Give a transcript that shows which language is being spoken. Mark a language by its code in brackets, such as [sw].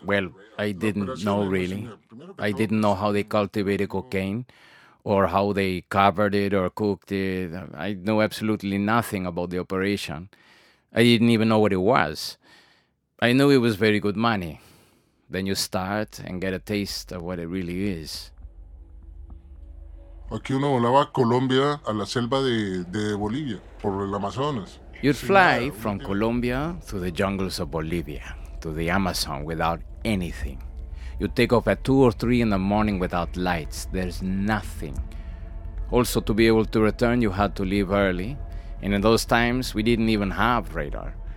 [en] Well, I didn't know really. I didn't know how they cultivated cocaine or how they covered it or cooked it. I knew absolutely nothing about the operation. I didn't even know what it was. I knew it was very good money. Then you start and get a taste of what it really is. [es] Aquí uno volaba a Colombia, a la selva de Bolivia, por el Amazonas. [en] You'd fly from Colombia through the jungles of Bolivia to the Amazon without anything. You'd take off at 2 or 3 in the morning without lights. There's nothing. Also, to be able to return, you had to leave early. And in those times, we didn't even have radar.